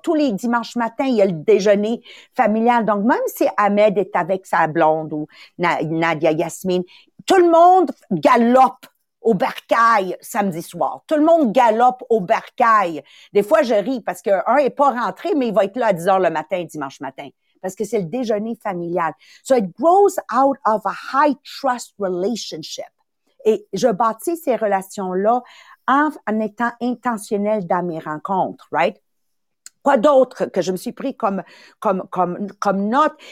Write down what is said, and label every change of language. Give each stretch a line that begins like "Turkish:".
French: Tous les dimanches matins, il y a le déjeuner familial. Donc, même si Ahmed est avec sa blonde ou Nadia Yasmine, tout le monde galope au Bercail samedi soir. Tout le monde galope au Bercail. Des fois, je ris parce qu'un n'est pas rentré, mais il va être là à 10 heures le matin, dimanche matin, parce que c'est le déjeuner familial.
English: So it grows out of a high trust relationship.
French: Et je bâtis ces relations-là en étant intentionnel dans mes rencontres,
English: right?
French: Quoi d'autre que je me suis pris comme note?